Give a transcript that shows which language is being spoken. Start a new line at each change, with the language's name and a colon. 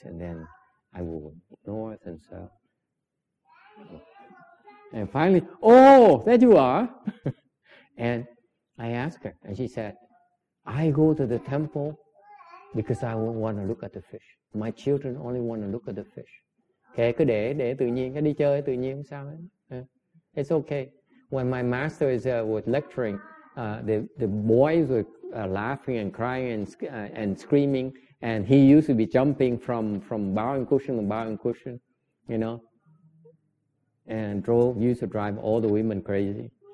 English: And then I went north and south. And finally, oh, there you are. And I asked her. And she said, I go to the temple because I want to look at the fish. My children only want to look at the fish.
Vietnamese: Okay, cứ để tự nhiên, cứ đi chơi tự nhiên, sao ấy.
English: It's okay. When my master was lecturing, the boys were laughing and crying and screaming, and he used to be jumping from bowing cushion to bowing cushion, you know, and used to drive all the women crazy.